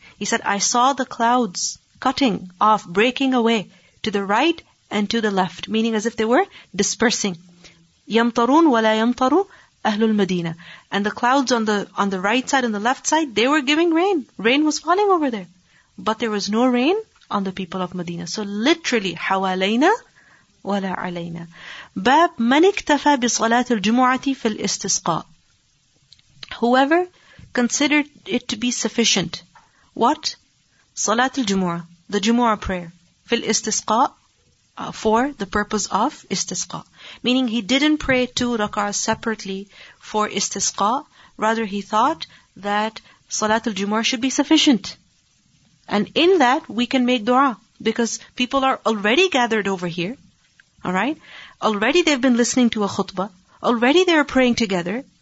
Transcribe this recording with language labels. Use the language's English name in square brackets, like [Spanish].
[English] He said, I saw the clouds cutting off, breaking away to the right and to the left, meaning as if they were dispersing. [Arabic] يَمْطَرُونَ وَلَا يَمْطَرُ أَهْلُ الْمَدِينَةِ. [English] And the clouds on the right side and the left side, they were giving rain. Rain was falling over there, but there was no rain on the people of Medina. So literally, [Arabic] حَوَالَيْنَا وَلَا عَلَيْنَا. باب من اكتفى بصلاة الجمعة في الاستسقاء. [English] Whoever considered it to be sufficient. What? [Arabic] صلاة الجمعة, [English] the Jumu'ah prayer. [Arabic] في الاستسقاء, [English] for the purpose of استسقاء. Meaning he didn't pray two rak'ah separately for استسقاء. Rather he thought that [Arabic] صلاة الجمعة [English] should be sufficient. And in that, we can make dua. because people are already gathered over here, all right? Already they've been listening to a khutbah. Already they are praying together.